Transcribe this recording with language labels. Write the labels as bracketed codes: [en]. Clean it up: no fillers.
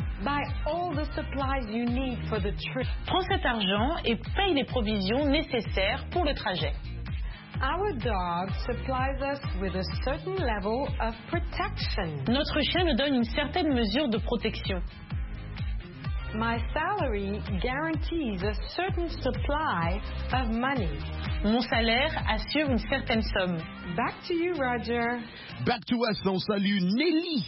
[en] Buy all the supplies you need for the trip. [fr] Prends cet argent et paye les provisions nécessaires pour le trajet. [en] Our dog supplies us with a certain level of protection. [fr] Notre chien nous donne une certaine mesure de protection. [en] My salary guarantees a certain supply of money. [fr] Mon salaire assure une certaine somme. [en] Back to you, Roger. Back to us, [fr] on salue [en] Nelly.